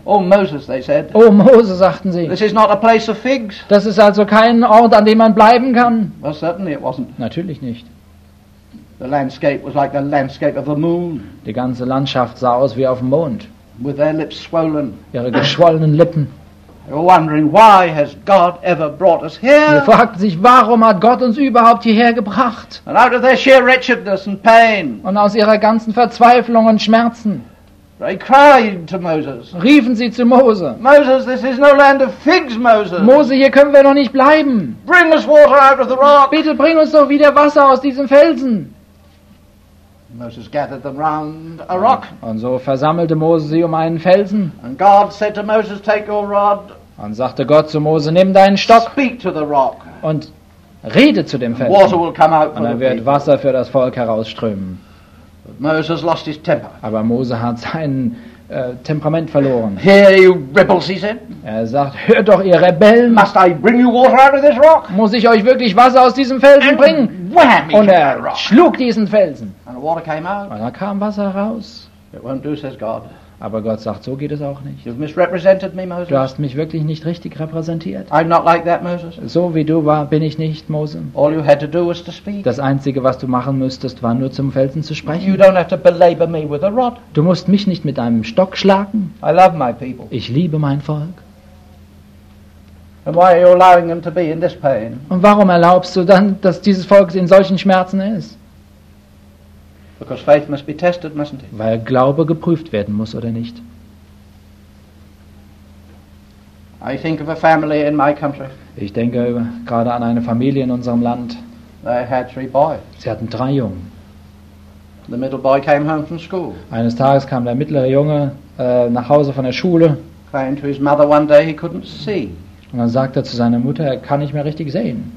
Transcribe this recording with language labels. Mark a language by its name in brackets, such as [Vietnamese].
[English] Oh Moses, they said. [German] Oh Moses, sagten sie. [English] This is not a place of figs. [German] Das ist also kein Ort, an dem man bleiben kann. [English] Well, certainly it wasn't. [German] Natürlich nicht. [English] The landscape was like the landscape of the moon. [German] Die ganze Landschaft sah aus wie auf dem Mond. [English] With their lips swollen. [German] Ihre geschwollenen Lippen. [English] They were wondering, why has God ever brought us here? [German] Sie fragten sich, warum hat Gott uns überhaupt hierher gebracht? [English] And out of their sheer wretchedness and pain. [German] Und aus ihrer ganzen Verzweiflung und Schmerzen. [English] They cried to Moses. [German] Riefen sie zu Mose. [English] Moses, this is no land of figs, Moses. [German] Mose, hier können wir noch nicht bleiben. [English] Bring us water out of the rock. [German] Bitte bring uns doch wieder Wasser aus diesem Felsen. [English] Moses gathered them round a rock. [German] Und so versammelte Mose sie um einen Felsen. [English] And God said to Moses, take your rod. [German] Und sagte Gott zu Mose, nimm deinen Stock. [English] Speak to the rock. [German] Und rede zu dem Felsen. [English] Water will come out. [German] Und dann wird Wasser für das Volk herausströmen. [English] But Moses lost his temper. [German] Aber Mose hat seinen Temperament verloren. [English] Hear you rebels, he said. [German] Er sagt, hört doch ihr Rebellen. [English] Must I bring you water out of this rock? [German] Muss ich euch wirklich Wasser aus diesem Felsen [English] and [German] bringen? Wham, und er schlug diesen Felsen. [English] And the water came out. [German] Und da kam Wasser raus. [English] It won't do, says God. [German] Aber Gott sagt, so geht es auch nicht. [English] You've misrepresented me, Moses. [German] Du hast mich wirklich nicht richtig repräsentiert. [English] I'm not like that, Moses. [German] So wie du war, bin ich nicht, Mose. [English] All you had to do was to speak. [German] Das Einzige, was du machen müsstest, war nur zum Felsen zu sprechen. [English] You don't have to belabor me with a rod. [German] Du musst mich nicht mit einem Stock schlagen. [English] I love my people. [German] Ich liebe mein Volk. [English] And why are you allowing them to be in this pain? [German] Und warum erlaubst du dann, dass dieses Volk in solchen Schmerzen ist? [English] Because faith must be tested, mustn't it? [German] Weil Glaube geprüft werden muss, oder nicht? [English] I think of a family in my country. [German] Ich denke gerade an eine Familie in unserem Land. [English] They had three boys. [German] Sie hatten drei Jungen. [English] The middle boy came home from school. [German] Eines Tages kam der mittlere Junge nach Hause von der Schule. [English] Claimed to his mother one day he couldn't see. [German] Und dann sagte er zu seiner Mutter, er kann nicht mehr richtig sehen.